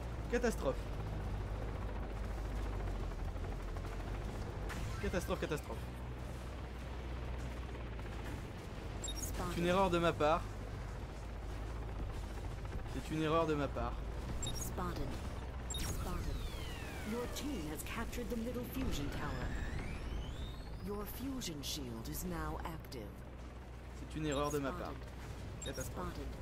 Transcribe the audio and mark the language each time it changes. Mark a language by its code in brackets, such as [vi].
[fr] Catastrophe. Catastrophe, catastrophe. C'est une erreur de ma part. C'est une erreur de ma part. [en] Spotted. Spotted. Your team has captured the middle fusion tower. Your fusion shield is now active. [fr] C'est une erreur de ma part. Catastrophe.